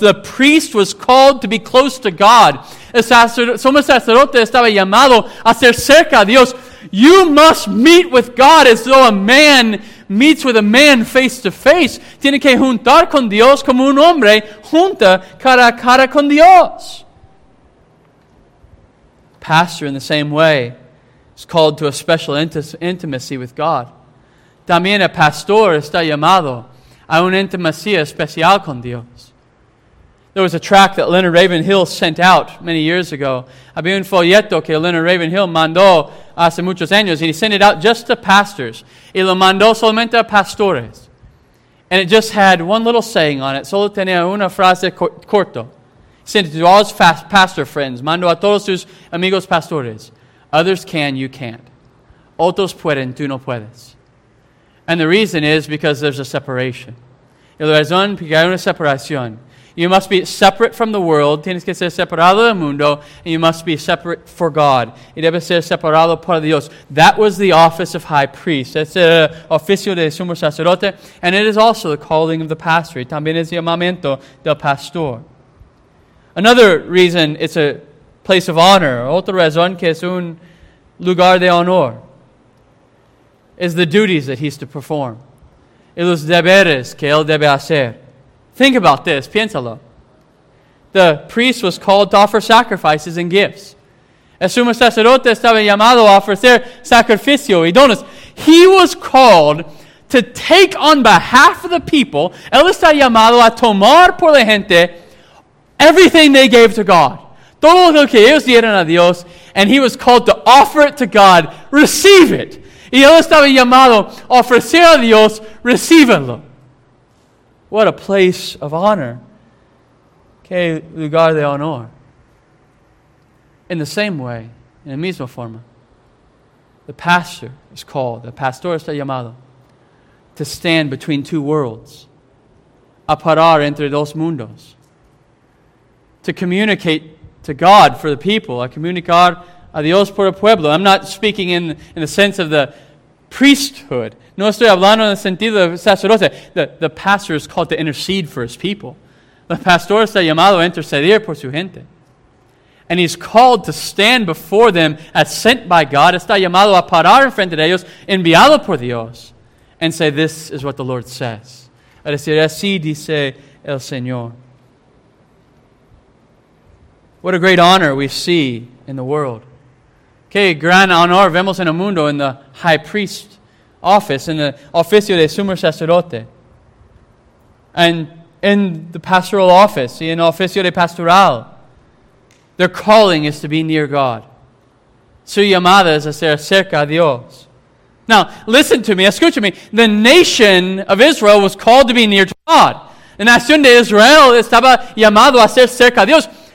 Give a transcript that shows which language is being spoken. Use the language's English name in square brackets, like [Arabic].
[English] The priest was called to be close to God. [Spanish] Somos sacerdotes estaba llamado a ser cerca a Dios. [English] You must meet with God as though a man meets with a man face to face. [Spanish] Tiene que juntar con Dios como un hombre junta cara a cara con Dios. [English] Pastor, in the same way, is called to a special intimacy with God. [Spanish] También el pastor está llamado a una intimacía especial con Dios. [English] There was a tract that Leonard Ravenhill sent out many years ago. [Spanish] Había un folleto que Leonard Ravenhill mandó hace muchos años, [English] and he sent it out just to pastors. [Spanish] Y lo mandó solamente a pastores. [English] And it just had one little saying on it. [Spanish] Solo tenía una frase corto. [English] Sent it to all his pastor friends. [Spanish] Mando a todos sus amigos pastores. [English] Others can, you can't. [Spanish] Otros pueden, tú no puedes. [English] And the reason is because there's a separation. [Spanish] El razón porque hay una separación. [English] You must be separate from the world. [Spanish] Tienes que ser separado del mundo. [English] And you must be separate for God. [Spanish] Y debes ser separado por Dios. [English] That was the office of high priest. [Spanish] Es el oficio de sumo sacerdote. [English] And it is also the calling of the pastor. [Spanish] Y también es el llamamiento del pastor. [English] Another reason it's a place of honor, [Spanish] otra razón que es un lugar de honor, [English] is the duties that he's to perform. [Spanish] Y los deberes que él debe hacer. [English] Think about this, [Spanish] piénsalo. [English] The priest was called to offer sacrifices and gifts. [Spanish] El sumo sacerdote estaba llamado a ofrecer sacrificio y dones. [English] He was called to take on behalf of the people, [Spanish] él está llamado a tomar por la gente [English] everything they gave to God. [Spanish] Todo lo que ellos dieron a Dios. [English] And he was called to offer it to God. Receive it. [Spanish] Y él estaba llamado a ofrecer a Dios. Recíbelo. [English] What a place of honor. [Spanish] Qué lugar de honor. [English] In the same way, in the [Spanish] misma forma, [English] the pastor is called, the pastor [Spanish] está llamado, [English] to stand between two worlds. [Spanish] A parar entre dos mundos. [English] To communicate to God for the people. [Spanish] A comunicar a Dios por el pueblo. [English] I'm not speaking in the sense of the priesthood. [Spanish] No estoy hablando en el sentido del sacerdote. [English] The pastor is called to intercede for his people. The pastor [Spanish] está llamado a interceder por su gente. [English] And he's called to stand before them as sent by God. [Spanish] Está llamado a parar en frente de ellos, enviado por Dios. [English] And say, this is what the Lord says. [Spanish] A decir, así dice el Señor. [English] What a great honor we see in the world. [Spanish] Qué gran honor vemos en el mundo [English] in the high priest office, in the [Spanish] oficio de sumo sacerdote. [English] And in the pastoral office, in [Spanish] oficio de pastoral, [English] their calling is to be near God. [Spanish] Su llamada es a ser cerca a Dios. [English] Now, listen to me, [Spanish] escucha me. [English] The nation of Israel was called to be near to God. [Spanish] La nación de Israel estaba llamado a ser cerca a Dios.